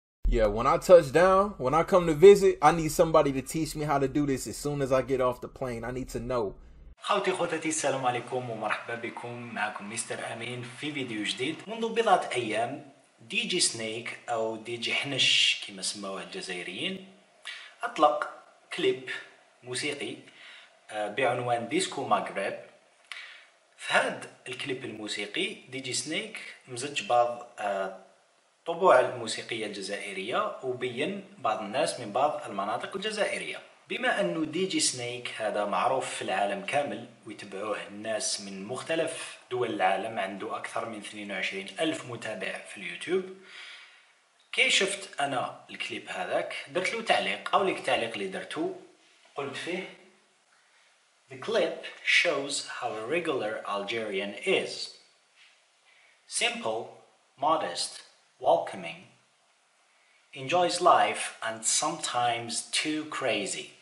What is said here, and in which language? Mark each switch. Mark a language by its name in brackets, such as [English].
[English] Yeah, when I touch down, when I come to visit, I need somebody to teach me how to do this as soon as I get off the plane. I need to know. [Arabic] خوتي خوتتي السلام عليكم ومرحبا بكم، معكم مستر أمين في فيديو جديد. منذ بضعة أيام دي جي سنيك أو دي جي حنش كما سموه الجزائريين أطلق كليب موسيقي بعنوان ديسكو ماغريب. في هذا الكليب الموسيقي دي جي سنيك مزج بعض الطبوع الموسيقية الجزائرية وبين بعض الناس من بعض المناطق الجزائرية. بما أن دي جي سنيك هذا معروف في العالم كامل ويتبعوه الناس من مختلف دول العالم، عنده أكثر من 22,000 متابع في اليوتيوب. كي شفت أنا الكليب هذاك درت له تعليق، أو لك تعليق اللي درته قلت فيه: [English] The clip shows how a regular Algerian is. Simple, modest, welcoming, enjoys life and sometimes too crazy.